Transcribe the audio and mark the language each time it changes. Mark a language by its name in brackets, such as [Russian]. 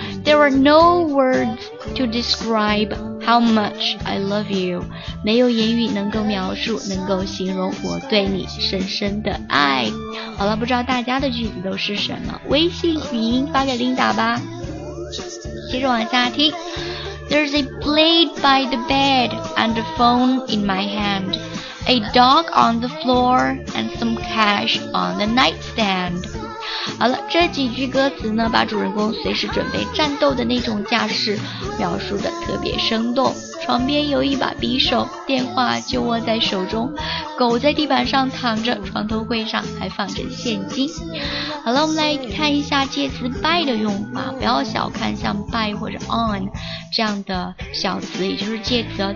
[English] There are no words to describe how much I love you. [Chinese] 没有言语能够描述，能够形容我对你深深的爱。好了，不知道大家的句子都是什么，微信语音发给Linda吧。接着往下听。 [English] There's a blade by the bed and a phone in my hand. A dog on the floor and some cash on the nightstand. [Chinese] 好了，这几句歌词呢把主人公随时准备战斗的那种架势描述得特别生动。床边有一把匕首，电话就握在手中，狗在地板上躺着，床头柜上还放着现金。好了，我们来看一下介词 by 的用法，不要小看像 by 或者 on 这样的小词，也就是介词哦。